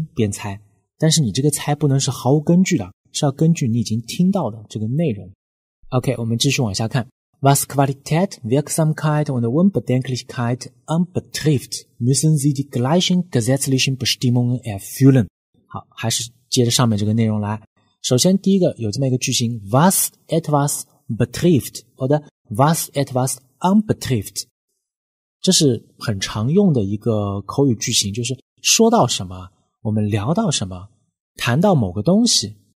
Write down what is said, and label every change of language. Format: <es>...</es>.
<zh>回答的时候上来就来了一句，对于植物制药跟化学制药都被提出了一样的一个要求。如果你足够聪明的话，就应该能把握住，哎，那他肯定接下来是说这个东西现在效果是很好的，因为要求很严格，所以能保证它的效果。这也算是听听力的一点小技巧啊，就是有的时候听听力真的是要连蒙带猜，边听边猜，但是你这个猜不能是毫无根据的。是要根据你已经听到的这个内容。OK，我们继续往下看。</zh> <de>Was Qualität, Wirksamkeit und Unbedenklichkeit anbetrifft, müssen Sie die gleichen gesetzlichen Bestimmungen erfüllen.</de> <zh>好，还是接着上面这个内容来。首先，第一个有这么一个句型 ，</zh> <de>Was etwas betrifft oder Was etwas anbetrifft，</de> <zh>这是很常用的一个口语句型，就是说到什么，我们聊到什么，谈到某个东西。</zh>